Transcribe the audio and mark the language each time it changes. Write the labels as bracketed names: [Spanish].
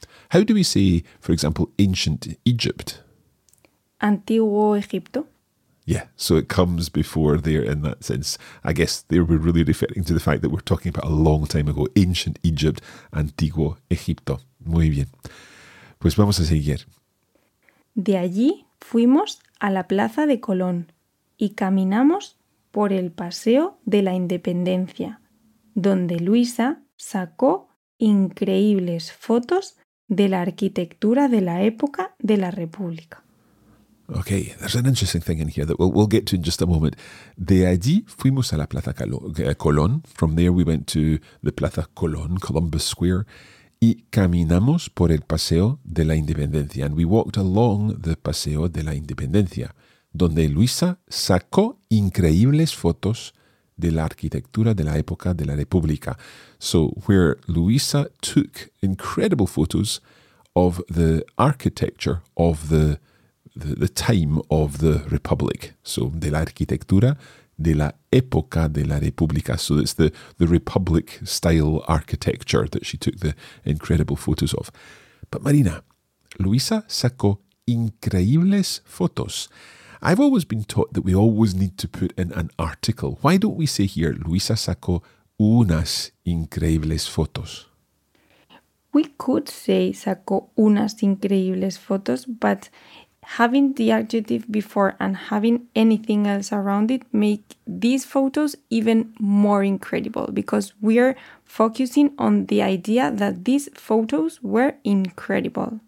[English] How do we say, for example, ancient Egypt? [Spanish] Antiguo Egipto. [English] Yeah, so it comes before there in that sense. I guess they were really referring to the fact that we're talking about a long time ago, ancient Egypt, [Spanish] antiguo Egipto. Muy bien. Pues vamos a seguir. De allí fuimos a la Plaza de Colón y caminamos por el Paseo de la Independencia, donde Luisa sacó increíbles fotos de la arquitectura de la época de la República. [English] Okay, there's an interesting thing in here that we'll get to in just a moment. [Spanish] De allí fuimos a la Plaza Colón. [English] From there we went to the Plaza Colón, Columbus Square, [Spanish] Y caminamos por el Paseo de la Independencia. [English] And we walked along the [Spanish] Paseo de la Independencia, donde Luisa sacó increíbles fotos de la arquitectura de la época de la República. [English] So where Luisa took incredible photos of the architecture of the time of the Republic. [Spanish] So de la arquitectura de la época de la República. [English] So it's the Republic style architecture that she took the incredible photos of. [Spanish] But Marina, Luisa sacó increíbles fotos. [English] I've always been taught that we always need to put in an article. Why don't we say here, [Spanish] Luisa sacó unas increíbles fotos? [English] We could say [Spanish] sacó unas increíbles fotos, [English] but having the adjective before and having anything else around it make these photos even more incredible, because we are focusing on the idea that these photos were incredible.